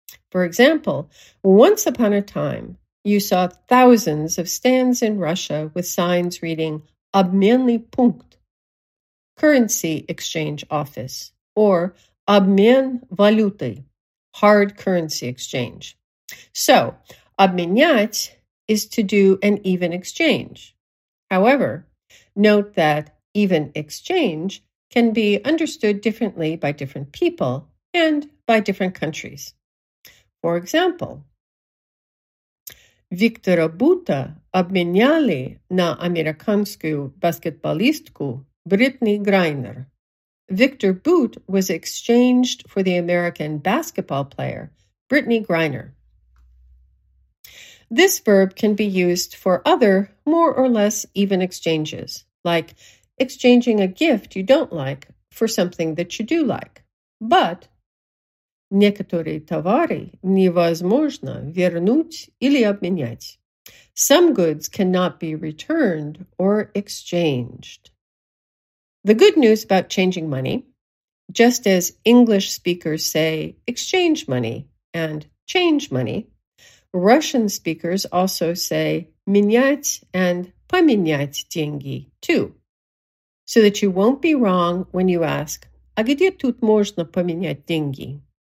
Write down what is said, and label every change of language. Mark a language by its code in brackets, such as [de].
[en] For example, once upon a time, you saw thousands of stands in Russia with signs reading обменный пункт, currency exchange office, or обмен валюты, hard currency exchange. So, обменять is to do an even exchange. However, note that even exchange can be understood differently by different people and by different countries. [ru] For example, Виктора Бута обменяли на американскую баскетболистку Бритни Грайнер. [en] Виктор Бут was exchanged for the American basketball player Бритни Грайнер. This verb can be used for other, more or less even exchanges, like exchanging a gift you don't like for something that you do like. [ru] But некоторые товары невозможно вернуть или обменять. [en] Some goods cannot be returned or exchanged. The good news about changing money, just as English speakers say exchange money and change money, Russian speakers also say менять and поменять деньги too, so that you won't be wrong when you ask, [ru] а где тут можно поменять деньги?